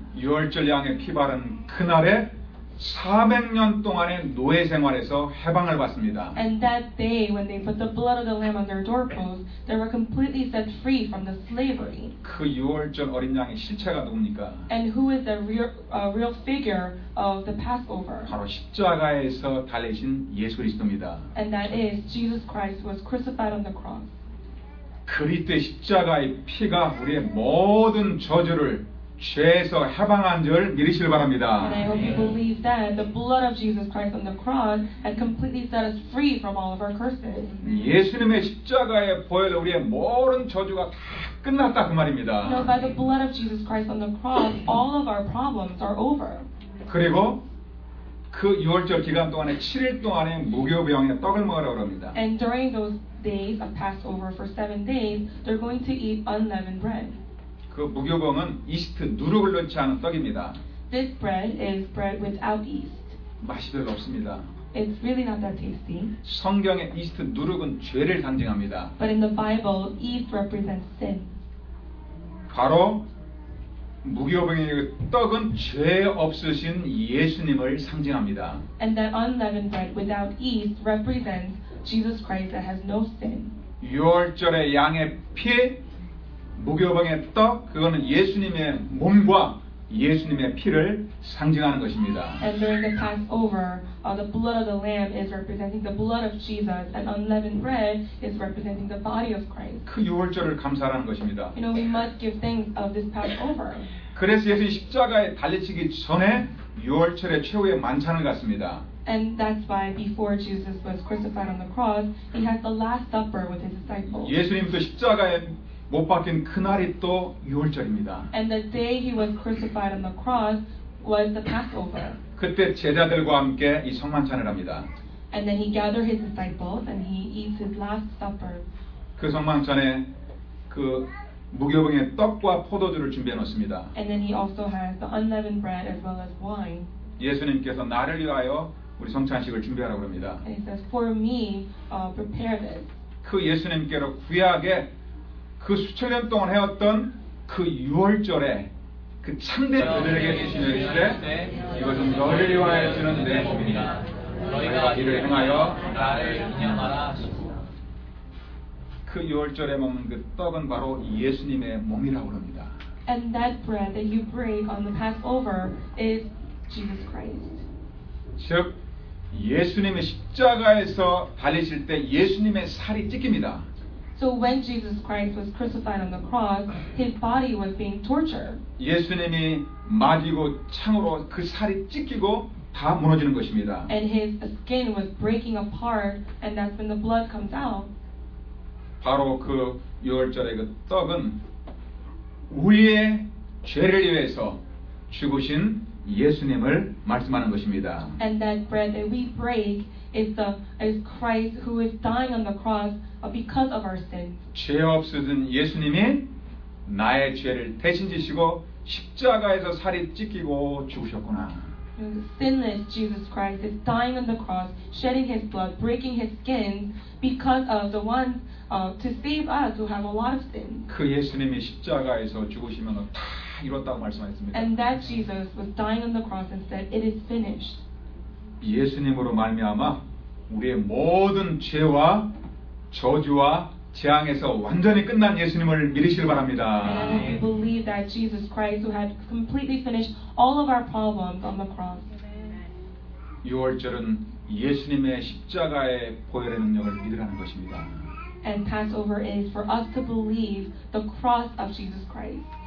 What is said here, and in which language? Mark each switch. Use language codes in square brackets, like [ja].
[ko] 유월절 양의 피 바른 그날에 400년 동안의 노예 생활에서 해방을 받습니다. [en] And that day when they put the blood of the lamb on their doorpost, they were completely set free from the slavery. [ko] 그 유월절 어린 양의 실체가 누굽니까? [en] And who is the real figure of the Passover? [ko] 바로 십자가에서 달리신 예수 그리스도입니다. [en] And that is Jesus Christ was crucified on the cross. [ko] 그리스도의 십자가의 피가 우리의 모든 저주를 죄에서 해방한 줄 믿으시길 바랍니다. [en] And I hope you believe that the blood of Jesus Christ on the cross has completely set us free from all of our curses. [ko] 예수님의 십자가에 보혈 우리의 모든 저주가 다 끝났다 그 말입니다. [en] No, by the blood of Jesus Christ on the cross, all of our problems are over. [ko] 그리고 그 유월절 기간 동안에 7일 동안에 무교병에 떡을 먹으라고 합니다. [en] And during those days of Passover for 7 days, they're going to eat unleavened bread. [ko] 그 무교병은 이스트 누룩을 넣지 않은 떡입니다. [en] This bread is bread without yeast. [ko] 맛이 별로 없습니다. [en] It's really not that tasty. [ko] 성경의 이스트 누룩은 죄를 상징합니다. [en] But in the Bible, yeast represents sin. [ko] 바로 무교병의 떡은 죄 없으신 예수님을 상징합니다. [en] And that unleavened bread without yeast represents Jesus Christ that has no sin. [ko] 유월절의 양의 피 무교병의 떡 그거는 예수님의 몸과 예수님의 피를 상징하는 것입니다. [en] And during the Passover, the blood of the lamb is representing the blood of Jesus, and unleavened bread is representing the body of Christ. [ko] 그 유월절을 감사하는 것입니다. [en] You know, we must give thanks of this Passover. [ko] 그래서 예수님 십자가에 달리시기 전에 유월절의 최후의 만찬을 갖습니다. [en] And that's why before Jesus was crucified on the cross, he had the last supper with his disciples. [ko] 예수님도 십자가에 못 박힌 그날이 또 유월절입니다. [en] And the day he was crucified on the cross was the Passover. [ko] 그때 제자들과 함께 이 성만찬을 합니다. [en] And then he gathered his disciples and he eats his last supper. [ko] 그 성만찬에 그 무교병의 떡과 포도주를 준비해 놓습니다. [en] And then he also has the unleavened bread as well as wine. [ko] 예수님께서 나를 위하여 우리 성찬식을 준비하라고 합니다. [en] And he says, "For me, prepare this." [ko] 그 예수님께로 구약에 그 수천 년 동안 해왔던 그 유월절에 그 참된 너희들에게 주시는 일인데 이것은 너희를 위하여 주는 내 몸이니라 너희가 이를 행하여 나를 기념하라 하시고 그 유월절에 먹는 그 떡은 바로 예수님의 몸이라고 합니다. [en] And that bread that you break on the Passover is Jesus Christ. [ko] 즉 예수님의 십자가에서 달리실 때 예수님의 살이 찢깁니다. [en] So when Jesus Christ was crucified on the cross, his body was being tortured. [ko] 예수님이 마디고 창으로 그 살이 찢기고 다 무너지는 것입니다. [en] And his skin was breaking apart, and that's when the blood comes out. [ko] 바로 그 유월절의 그 떡은 우리의 죄를 위해서 죽으신 예수님을 말씀하는 것입니다. [en] And that bread that we break is Christ who is dying on the cross. Because of our sins. [ko] 죄 없으신 예수님이 나의 죄를 대신 지시고 십자가에서 살이 찢기고 죽으셨구나. [en] Sinless Jesus Christ is dying on the cross, shedding his blood, breaking his skin because of the one to save us who have a lot of sin. [ko] 그 예수님이 십자가에서 죽으시면 다 이뤘다고 말씀하셨습니다. [en] And that Jesus was dying on the cross and said it is finished. [ko] 예수님으로 말미암아 우리의 모든 죄와 저주와 재앙에서 완전히 끝난 예수님을 믿으시길 바랍니다. [en] I believe that Jesus Christ who had completely finished all of our problems on the cross. [ko] 유월절은 예수님의 십자가의 보혈의 능력을 믿으라는 것입니다. [en] And Passover is for us to believe the cross of Jesus Christ.